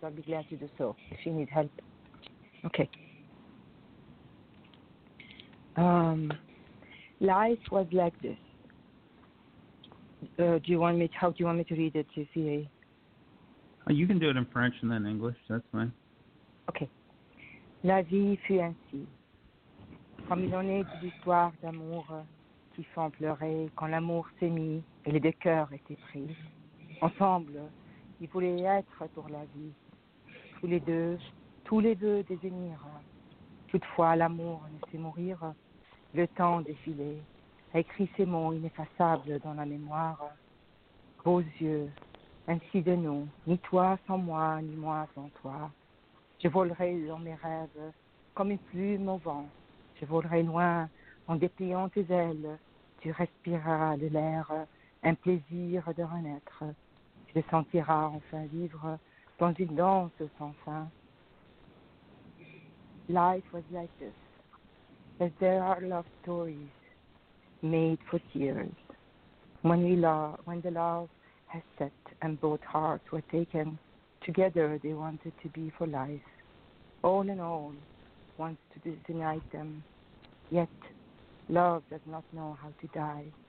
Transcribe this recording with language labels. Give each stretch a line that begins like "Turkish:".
English: I'd be glad to do so if you need help. Okay. Life was like this. How do you want me to read it, JCA? Oh, you can do it in French and then English. That's fine. Okay.
French: La vie fut ainsi. Comme il en est d'histoires d'amour qui font pleurer quand l'amour s'est mis et les deux cœurs étaient pris. Ensemble, ils voulaient être pour la vie. Tous les deux des émirs. Toutefois, l'amour laissait mourir. Le temps défilé a écrit ses mots ineffaçables dans la mémoire. Beaux yeux, ainsi de nous, ni toi sans moi, ni moi sans toi. Je volerai dans mes rêves comme une plume au vent. Je volerai loin en dépliant tes ailes. Tu respireras de l'air un plaisir de renaître. Tu te sentiras enfin vivre dans une danse sans fin.
English: Life was like this. As there are love stories made for tears. When the love has set and both hearts were taken, together they wanted to be for life. All in all, wants to unite them. Yet, love does not know how to die.